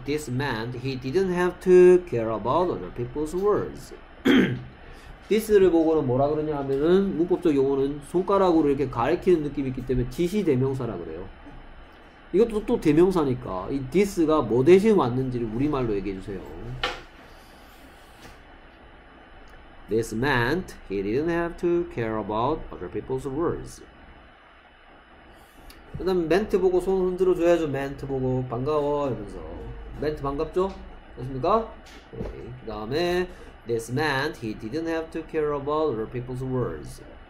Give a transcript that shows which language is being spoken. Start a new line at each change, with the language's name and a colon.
English: This meant he didn't have to care about other people's words.
Korean: this를 보고는 뭐라 그러냐 하면은 문법적 용어는 손가락으로 이렇게 가리키는 느낌이 있기 때문에 지시 대명사라 그래요. 이것도 또 대명사니까 이 this가 뭐 대신 왔는지를 우리말로 얘기해 주세요.
English: This meant he didn't have to care about other people's words.
Korean: 그 다음 meant 보고 손 흔들어 줘야죠. meant 보고 반가워 이러면서 meant 반갑죠? 됐습니까? 그 다음에
English: This meant he didn't have to care about other people's words.